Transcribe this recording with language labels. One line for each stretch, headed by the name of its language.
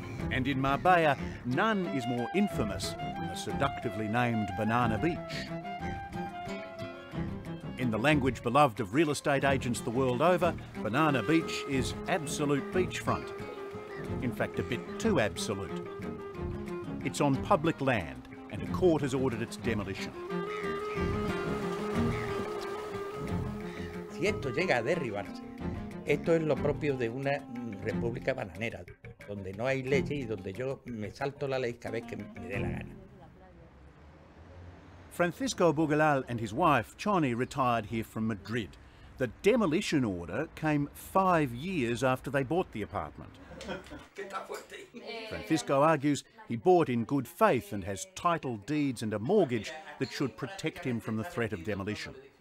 English: And in Marbella, none is more infamous than the seductively named Banana Beach. In the language beloved of real estate agents the world over, Banana Beach is absolute beachfront. In fact, a bit too absolute. It's on public land, and a court has ordered its demolition.
Spanish: Si esto llega a derribarse, esto es lo propio de una república bananera, donde no hay leyes y donde yo me salto la ley cada vez que me dé la gana.
English: Francisco Bugalal and his wife, Choni, retired here from Madrid. The demolition order came 5 years after they bought the apartment. Francisco argues he bought in good faith and has title deeds and a mortgage that should protect him from the threat of demolition.